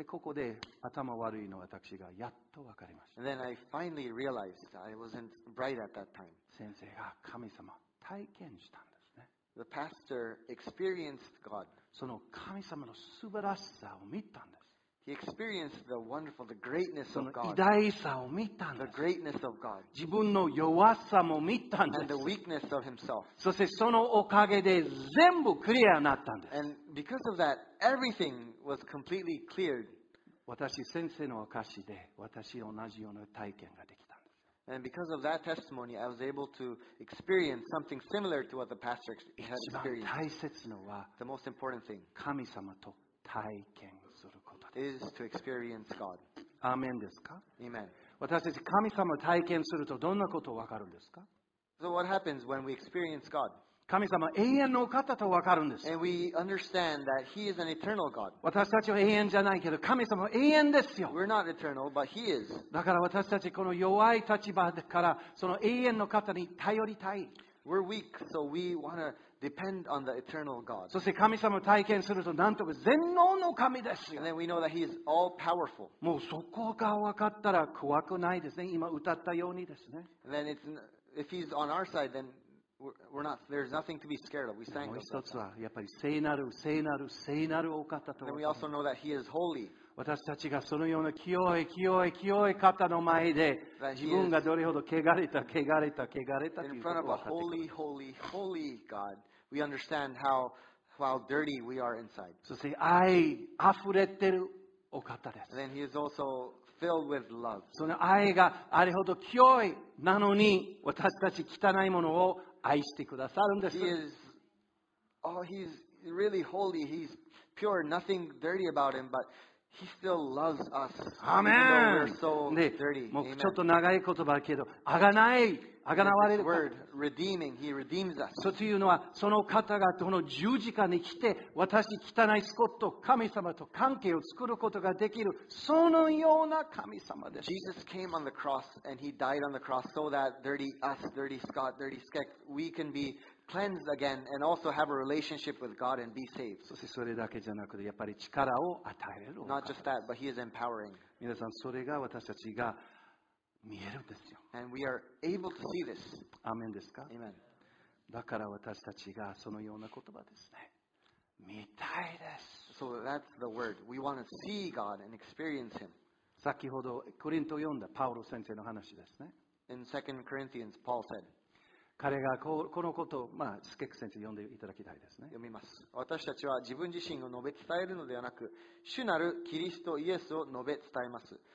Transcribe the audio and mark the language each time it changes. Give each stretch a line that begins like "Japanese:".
Japanese: でここで頭悪いの私がやっと分かりました。
English: And then I finally realized I wasn't bright at that time.
Japanese: 先生が神様体験したんですね。
English: The pastor experienced God.
Japanese: その神様の素晴らしさを見たんです。
English: He experienced the wonderful, the greatness of God.
Japanese: その偉大さを見たんです。
English: The greatness of God.
Japanese: 自分の弱さも見たんです。
English: And the weakness of himself.
Japanese: そしてそのおかげで全部クリアになったんです。
English: And because of that, everything was completely cleared.
Japanese: 私先生の証しで私同じような体験ができたんです。
English: And because of that testimony, I was able to experience something similar to what the pastor had experienced.
Japanese: 一番大切のは、
English: the most important thing.
Japanese: 神様と体験することです。
English: Is to experience God.
Japanese: アーメンですか？
English: Amen.
Japanese: 私たち神様を体験するとどんなことわかるんですか？
English: So what happens when we experience God?
Japanese: 神様永遠の方とわかるんです。
English: And we understand that He is an eternal God.
Japanese: 私たちは永遠じゃないけど神様永遠ですよ。
English: We're not eternal, but He is.
Japanese: だから私たちこの弱い立場からその永遠の方に頼りたい。
English: We're weak, so we want to depend on the eternal God.
Japanese: そして神様を体験するとなんと全能の神ですよ。
English: And then we know that He is all powerful.
Japanese: もうそこが分かったら怖くないですね。今歌ったようにですね。
English: And then it's, if He's on our side, then we're not, there's nothing to be scared of. We sang
Japanese: もう一つはやっぱり聖なる聖なる聖なるお方と。
English: And we also know that He is holy.
Japanese: 私たちがそのような清い清い清い方の前で自分がどれほど汚れた汚れた汚れたということを分かってくる。
English: Holy, holy, holy God, we understand how dirty we are inside.
Japanese: そして愛溢れてるお方です。
English: Then He is also filled with love.
Japanese: その愛があれほど清いなのに私たち汚いものを愛してくださるんです。
English: He is, oh, He's really holy. He's pure. Nothing dirty about Him, butbut He still loves us. Amen. We're so dirty.
Japanese: もうちょっと長い言葉けど、あがない、あがなわれる。
English: Word, redeeming, He redeems us.
Japanese: そうというのは、その方がこの十字架に来て、私汚いスコット、神様と関係を作ることができる、そのような神様です。
English: Jesus came on the cross and He died on the cross so that dirty us, dirty Scott, dirty Skek, we can bebe cleansed again and also have a relationship with God and be saved.
Japanese: そしてそれだけじゃなくてやっぱり力を与えれる。
English: Not just that, but He is empowering.
Japanese: 皆さんそれが私たちが見えるんですよ。
English: And we are able to see this.
Japanese: アーメンですか？
English: Amen.
Japanese: だから私たちがそのような言葉ですね。見たいです。
English: So that's the word. We want to see God and experience Him.
Japanese: 先ほどコリント読んだパウロ先生の話ですね。
English: In 2 Corinthians, Paul said.
Japanese: 彼がこのことを、まあ、スケック先生に読んでいただきたいですね。読みます。私たちは自分自身を述べ伝えるのではなく、主なるキリストイエスを述べ伝えます。